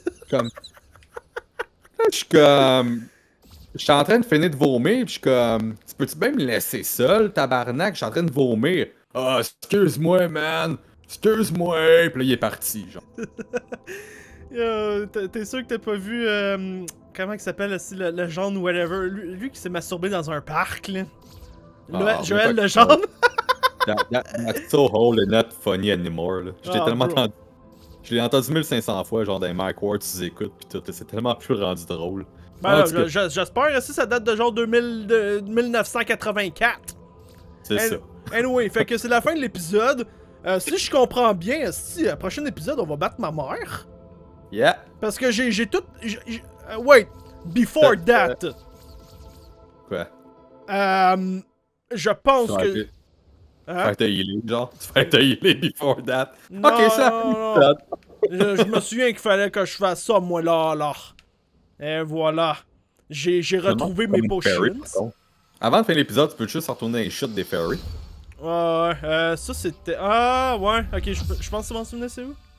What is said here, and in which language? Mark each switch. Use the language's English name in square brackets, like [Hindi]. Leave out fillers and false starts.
[French] Comme, là, je suis comme, je suis en train de finir de vomir, pis je suis comme, tu peux-tu bien me laisser seul, tabarnak, je suis en train de vomir. Ah, oh, excuse-moi, man, excuse-moi. Pis là, il est parti, genre. Yo, t'es sûr que t'as pas vu, comment il s'appelle aussi, le John whatever, lui qui s'est masturbé dans un parc, là. Joël le John. [English] That's so whole and not funny anymore, là. [French] J'ai tellement entendu. Je l'ai entendu 1500 fois, genre, dans Mike Ward, tu écoutes, pis tout. C'est tellement plus rendu drôle. Ben, non, j'espère aussi, ça date de genre 1984. C'est ça. Anyway, fait que c'est la fin de l'épisode. Si je comprends bien, si le prochain épisode, on va battre ma mère. [English] Yeah. [French] Parce que j'ai tout... [English] wait, before that. [French] Quoi? Je pense que... Tu vas te healer [English] before that. [French] Non, ok, ça. Je me souviens qu'il fallait que je fasse ça, moi, là. Et voilà. J'ai retrouvé mes potions. Avant de finir l'épisode, tu peux juste retourner les chutes des fairies. Ouais, ça c'était... Ah, ouais, ok, je pense que tu m'en souvenais, c'est où?